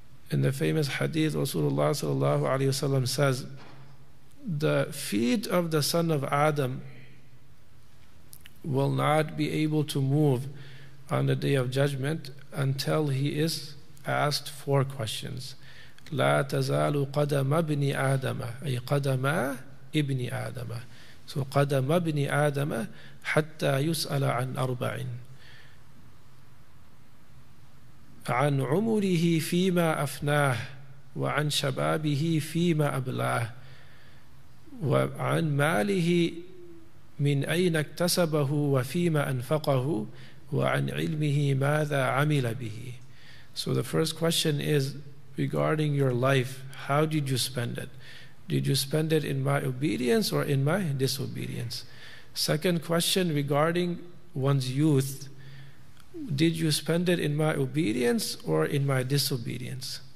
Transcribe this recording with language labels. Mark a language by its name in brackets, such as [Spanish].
[English] In the famous hadith, Rasulullah sallallahu alayhi wasallam says, the feet of the son of Adam will not be able to move on the day of judgment until he is asked four questions. [Arabic] لا تزال قدم ابن آدم أي قدم ابن آدم. [English] So [Arabic] قدم ابن آدم حتى يسأل عن أربع عن عمره فيما أفناه وعن شبابه فيما أبلاه وعن ماله من أين اكتسبه وفيما أنفقه وعن علمه ماذا عمل به. [English] So the first question is regarding your life. How did you spend it? Did you spend it in my obedience or in my disobedience? Second question regarding one's youth. Did you spend it in my obedience or in my disobedience?